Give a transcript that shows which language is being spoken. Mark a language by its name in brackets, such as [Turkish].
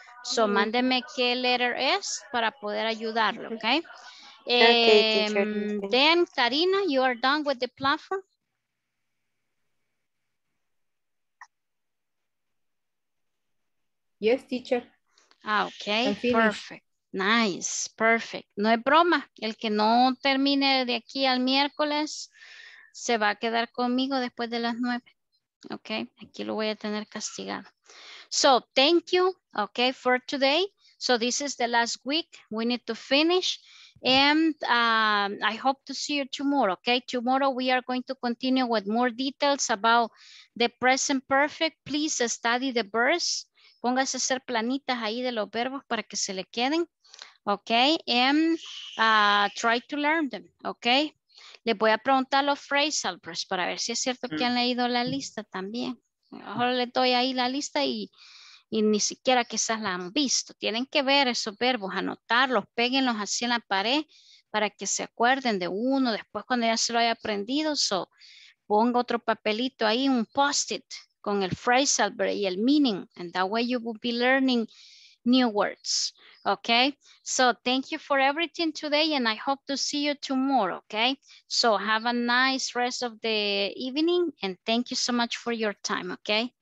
[Spanish] So mándeme qué letter es para poder ayudarlo, okay? [English] Okay, teacher. Then, Karina, you are done with the platform? Yes, teacher. Ah, okay, perfect. Nice, perfect. [Spanish] No es broma, el que no termine de aquí al miércoles se va a quedar conmigo después de las 9. Okay, aquí lo voy a tener castigado. [English] So, thank you, okay, for today. So, this is the last week. We need to finish. And I hope to see you tomorrow, okay? Tomorrow we are going to continue with more details about the present perfect. Please study the verbs. [Spanish] Póngase a hacer planitas ahí de los verbos para que se le queden, okay? [English] And try to learn them, okay? [Spanish] Le voy a preguntar los phrasal verbs para ver si es cierto que han leído la lista también. Ahora le doy ahí la lista y ni siquiera quizás la han visto. Tienen que ver esos verbos, anotarlos, péguenlos así en la pared para que se acuerden de uno después cuando ya se lo haya aprendido. So, ponga otro papelito ahí, un post-it con el phrasal verb y el meaning. [English] And that way you will be learning new words. Okay, so thank you for everything today and I hope to see you tomorrow, okay? So have a nice rest of the evening and thank you so much for your time, okay?